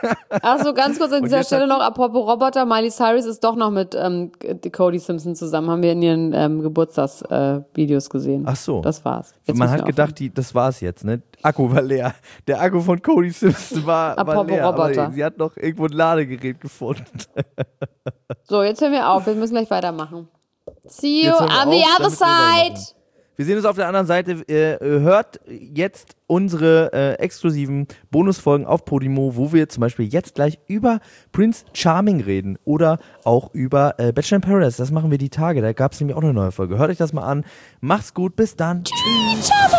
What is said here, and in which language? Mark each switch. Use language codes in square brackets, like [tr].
[de] Achso, ganz kurz an dieser Stelle noch, apropos Roboter, Miley Cyrus ist doch noch mit Cody Simpson zusammen, haben wir in ihren Geburtstagsvideos gesehen. Achso. Das war's. Jetzt man hat gedacht, das war's jetzt, ne? Akku war leer. Der Akku von Cody Simpson war leer. Apropos Roboter. Sie hat noch irgendwo ein Ladegerät gefunden. So, jetzt hören wir auf, wir müssen gleich weitermachen. [en] See you on the other side. [de] Wir sehen uns auf der anderen Seite. Hört jetzt unsere exklusiven Bonusfolgen auf Podimo, wo wir zum Beispiel jetzt gleich über Prince Charming reden oder auch über Bachelor in Paradise. Das machen wir die Tage. Da gab es nämlich auch eine neue Folge. Hört euch das mal an. Macht's gut. Bis dann. Tschüss.